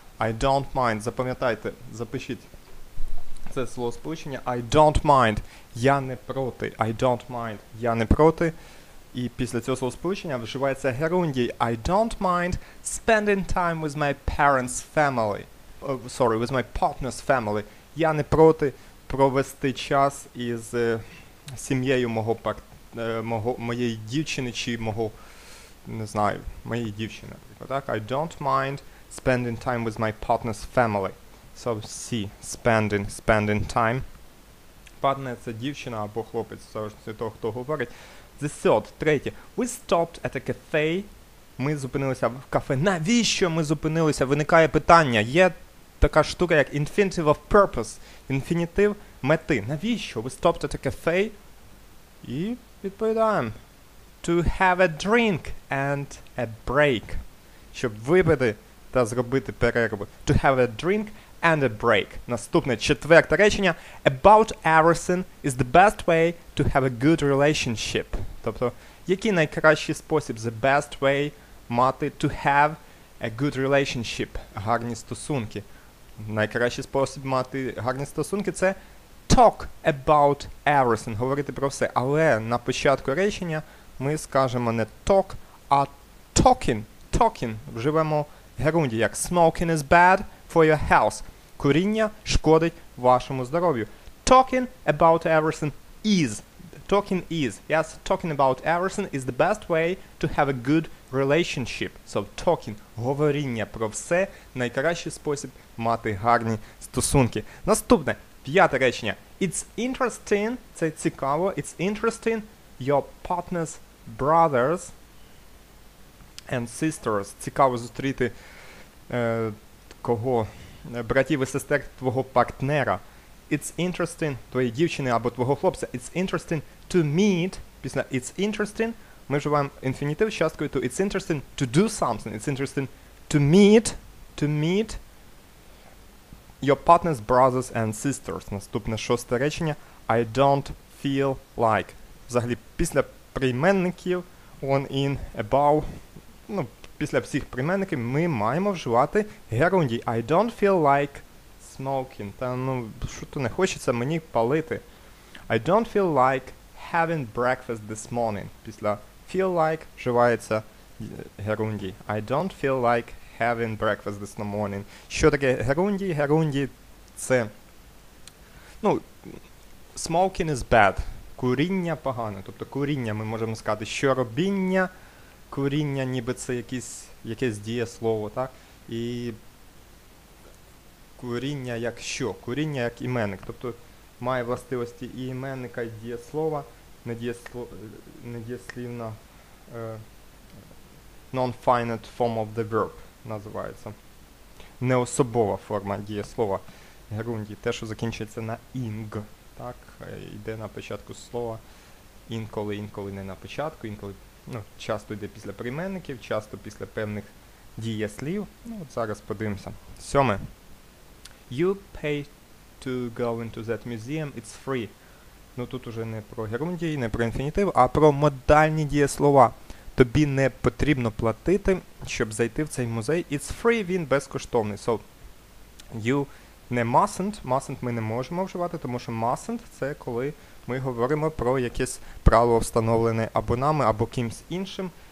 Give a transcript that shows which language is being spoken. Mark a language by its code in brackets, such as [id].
[en] I don't mind, [uk] запам'ятайте, запишіть це словосполучення. [en] I don't mind, [uk] я не проти. I don't mind, я не проти. І після цього словосполучення вживається герундій. [en] I don't mind spending time with my parents' family. With my partner's family. [uk] Я не проти провести час із сім'єю моєї дівчини чи мого, не знаю, моєї дівчини. Так? [en] I don't mind spending time with my partner's family. So, see, spending time. [uk] Партнер – це дівчина або хлопець, залежно того, хто говорить. [en] The third, [uk] третє. [en] We stopped at a cafe. [uk] Ми зупинилися в кафе. Навіщо ми зупинилися? Виникає питання. Є така штука, як infinitive of purpose. Інфінітив – мети. Навіщо? [en] We stopped at a cafe. [uk] І відповідаємо. [en] To have a drink and a break. [uk] Щоб випити та зробити перерву. [en] To have a drink and a break. [uk] Наступне, четверте речення. [en] About everything is the best way to have a good relationship. [uk] Тобто, який найкращий спосіб, the best way мати [en] to have a good relationship. [uk] Гарні стосунки. Найкращий спосіб мати гарні стосунки – це [en] talk about everything. [uk] Говорити про все. Але на початку речення ми скажемо не talk, а talking. Talking. Вживемо герунді, як [en] smoking is bad for your health. [uk] Куріння шкодить вашому здоров'ю. [en] Talking about everything is. Talking is. Yes, talking about everything is the best way to have a good relationship. So, talking. [uk] Говоріння про все. Найкращий спосіб мати гарні стосунки. Наступне. П'яте речення. [en] It's interesting. [uk] Це цікаво. It's interesting. [en] Your partner's brothers and sisters. [uk] Цікаво зустріти кого? Братів і сестер твого партнера. [en] It's interesting, [uk] твої дівчини або твого хлопця. [en] It's interesting to meet. [uk] Після it's interesting, ми вживаємо інфінітив з часткою to. [en] It's interesting to do something. It's interesting to meet your partner's brothers and sisters. [uk] Наступне шосте речення. [en] I don't feel like. [uk] Взагалі, після прийменників on, in, above, ну, після всіх прийменників ми маємо вживати герундій. [en] I don't feel like smoking. [uk] Та, ну, що то не хочеться мені палити. [en] I don't feel like having breakfast this morning. [uk] Після feel like вживається герундій. [en] I don't feel like having breakfast this morning. [uk] Що таке герундій? Герундій – це, ну, [en] smoking is bad. [uk] Куріння погане. Тобто куріння, ми можемо сказати, що робіння – куріння, ніби це якесь дієслово, так? І куріння як що? Куріння як іменник. Тобто має властивості і іменника, і дієслова, недієслівна, [en] non-finite form of the verb [uk] називається. Неособова форма дієслова. Герунді, те, що закінчується на ing, так? Йде на початку слова, інколи не на початку, інколи. Ну, часто йде після прийменників, часто після певних дієслів. Ну, от зараз подивимося. Сьоме. [en] You pay to go into that museum, it's free. [uk] Ну, тут уже не про герундій, не про інфінітив, а про модальні дієслова. тобі не потрібно платити, щоб зайти в цей музей. [en] It's free, [uk] він безкоштовний. [en] So, you не mustn't. [uk] Mustn't ми не можемо вживати, тому що mustn't – це коли ми говоримо про якесь правило, встановлене або нами, або кимсь іншим.